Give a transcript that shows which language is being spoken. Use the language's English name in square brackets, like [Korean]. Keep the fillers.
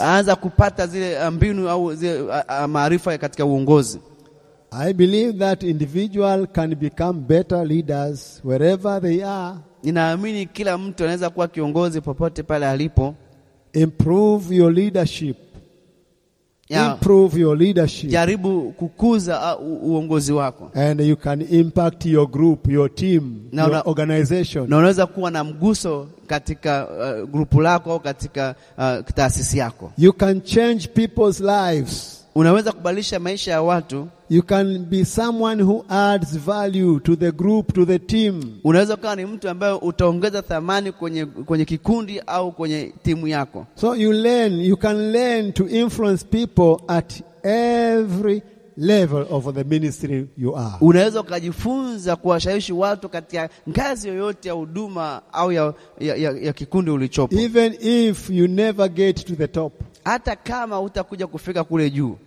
[Swahili] Anza kupata zile mbinu au zile maarifa katika uongozi viongozi [English] I believe that individual can become better leaders wherever they are. [Swahili] Ninaamini kila mtu anaweza kuwa kiongozi popote pale alipo. [English] Improve your leadership. Yeah. Improve your leadership. [Swahili] Jaribu kukuza uongozi uh, wako. [English] And you can impact your group, your team, na una, your organization. [Swahili] Na unaweza kuwa na mguso katika uh, grupu lako au katika uh, taasisi yako. [English] You can change people's lives [Swahili] unaweza kubadilisha maisha ya watu. [English] You can be someone who adds value to the group, to the team. [Swahili] Unaweza ukawa ni mtu ambaye utaongeza thamani kwenye, kwenye kikundi au kwenye timu yako. [English] So you learn, you can learn to influence people at every level of the ministry you are. [Swahili] Unaweza ukajifunza kuwashawishi watu katika ngazi yoyote ya huduma au ya, kikundi ulichopo. [English] Even if you never get to the top. [Swahili] Hata kama utakuja kufika kule juu.